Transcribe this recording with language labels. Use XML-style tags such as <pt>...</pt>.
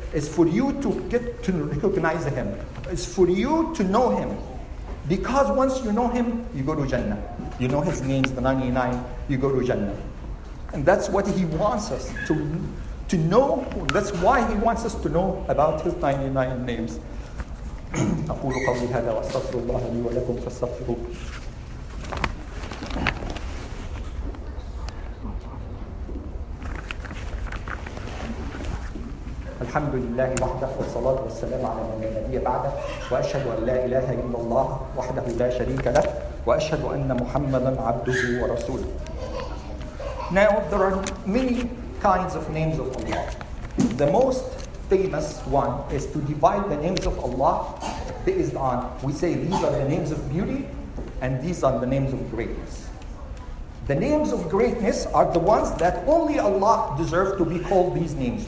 <en>It's for you to get to recognize Him. It's for you to know Him. Because once you know Him, you go to Jannah. You know His names, the 99, you go to Jannah. And that's what He wants us to know. That's why He wants us to know about His 99 names.</en> <ar>أقول قولي هذا وأستغفر الله لي ولكم فاستغفروه. الحمد لله وحده والصلاة والسلام على من لا نبي بعده وأشهد أن لا إله إلا الله وحده لا شريك له وأشهد أن محمدا عبده ورسوله.</ar> <en>Now there are many kinds of names of Allah. The most famous one is to divide the names of Allah based on, we say these are the names of beauty and these are the names of greatness. The names of greatness are the ones that only Allah deserves to be called these names.</en>